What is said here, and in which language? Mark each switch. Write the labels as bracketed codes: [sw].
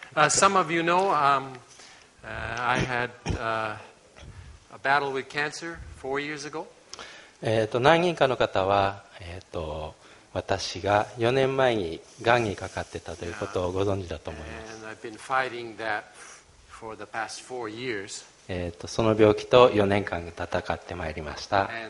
[en] Some of you know, I had a battle with cancer 4 years ago. [ja] 何人かの方は、私が4年前にがんにかかってたということをご存知だと思います。 [en] And I've been fighting that for the past 4 years. [ja] その病気と4年間戦ってまいりました。